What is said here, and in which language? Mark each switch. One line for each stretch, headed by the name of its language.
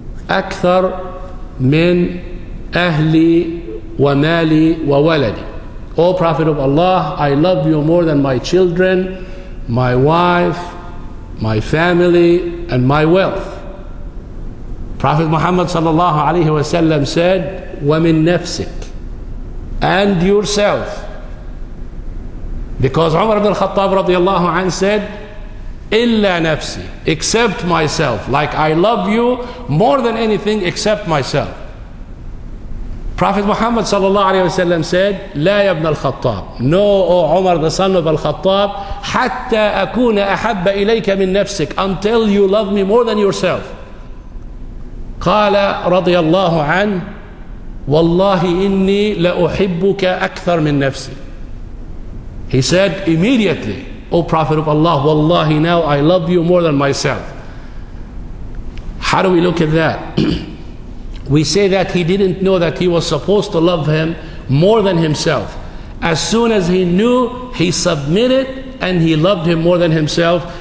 Arabic: أكثر من أهلي ومالي وولدي.
English: O Prophet of Allah, I love you more than my children, my wife, my family, and my wealth. Prophet Muhammad sallallahu alayhi wa sallam said,
Arabic: وَمِن نَفْسِكَ
English: and yourself. Because Umar ibn Khattab radiallahu anhu said,
Arabic: إِلَّا نَفْسِي
English: except myself. Like I love you more than anything except myself. Prophet Muhammad sallallahu alayhi wa sallam said,
Arabic: لَا يَبْنَ الْخَطَّابِ
English: No, O Umar, the son of Al-Khattab,
Arabic: حَتَّى أَكُونَ أَحَبَّ إِلَيْكَ مِن نَفْسِكَ
English: until you love me more than yourself.
Arabic: قال رضي الله عنه والله إني لأحبك أكثر من نفسي.
English: He said immediately, O Prophet of Allah, wallahi now I love you more than myself. How do we look at that? We say that he didn't know that he was supposed to love him more than himself. As soon as he knew, he submitted and he loved him more than himself.